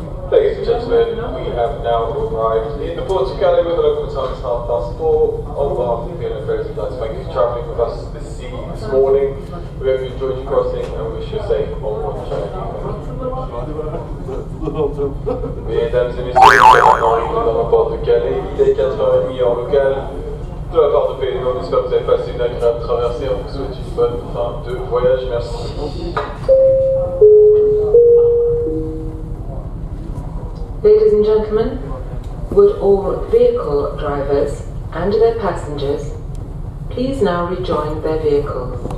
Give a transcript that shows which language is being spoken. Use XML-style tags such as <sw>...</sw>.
<en>Ladies and gentlemen, we have now arrived in the Porto Calais with a local time of 4:30. On behalf of the Fiona Fraser, we'd like to thank you for travelling with us this morning. We hope you enjoyed your crossing and wish you a safe onward journey.</en> <fr>Mesdames et messieurs, on est dans le Porto Calais, il est 4h30 en local. Peu importe le pays, on espère que vous avez passé une agréable traversée. On vous souhaite une bonne fin de voyage. Merci.</fr> <en>Ladies and gentlemen, would all vehicle drivers and their passengers please now rejoin their vehicles?</en>